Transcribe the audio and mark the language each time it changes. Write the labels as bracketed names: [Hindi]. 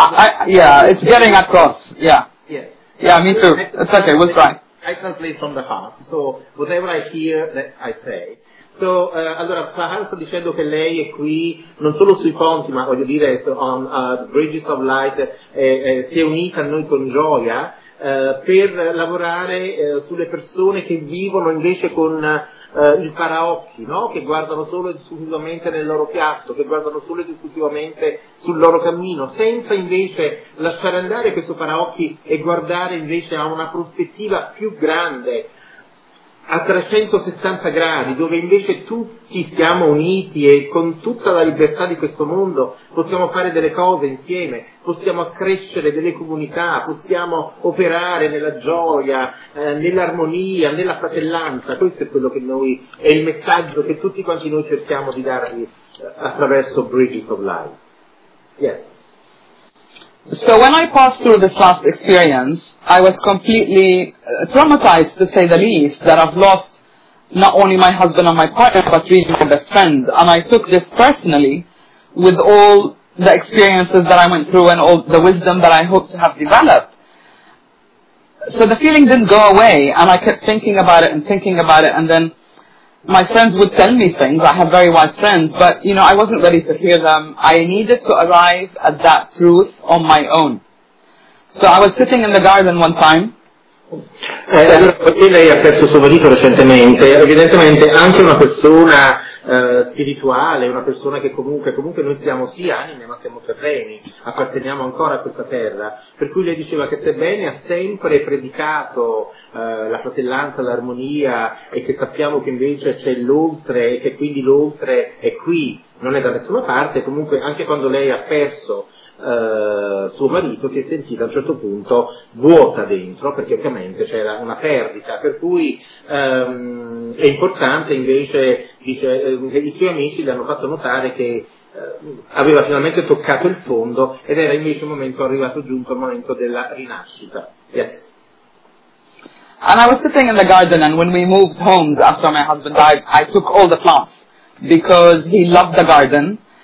[English] It's getting across, me too, it's okay, we'll try. I translate from the heart, so whatever I hear, that I say. [Italian] So, allora, Sahar sta dicendo che lei è qui non solo sui ponti, ma voglio dire, on Bridges of Light, si è unita a noi con gioia, per lavorare sulle persone che vivono invece con il paraocchi, no? Che guardano solo ed esclusivamente nel loro piatto, che guardano solo ed esclusivamente sul loro cammino, senza invece lasciare andare questo paraocchi e guardare invece a una prospettiva più grande, a 360 gradi, dove invece tutti siamo uniti e con tutta la libertà di questo mondo possiamo fare delle cose insieme, possiamo accrescere delle comunità, possiamo operare nella gioia, nell'armonia, nella fratellanza. Questo è quello che noi, è il messaggio che tutti quanti noi cerchiamo di darvi attraverso Bridges of Life. [English] Yes. So when I passed through this last experience, I was completely traumatized, to say the least, that I've lost not only my husband and my partner, but really my best friend. And I took this personally with all the experiences that I went through and all the wisdom that I hope to have developed. So the feeling didn't go away, and I kept thinking about it and thinking about it, and then my friends would tell me things. I have very wise friends, but, you know, I wasn't ready to hear them. I needed to arrive at that truth on my own. So I was sitting in the garden one time. [Italian] Perché lei ha perso suo marito recentemente, evidentemente anche una persona spirituale, una persona che comunque noi siamo sì anime, ma siamo terreni, apparteniamo ancora a questa terra, per cui lei diceva che sebbene ha sempre predicato la fratellanza, l'armonia, e che sappiamo che invece c'è l'oltre, e che quindi l'oltre è qui, non è da nessuna parte, comunque anche quando lei ha perso suo marito si è sentita a un certo punto vuota dentro, perché ovviamente c'era una perdita, per cui è importante invece, dice, che i suoi amici le hanno fatto notare che aveva finalmente toccato il fondo ed era invece un momento arrivato giunto al momento della rinascita. [English] Yes. And I was sitting in the garden, and when we moved homes after my husband died, I took all the plants because he loved the garden.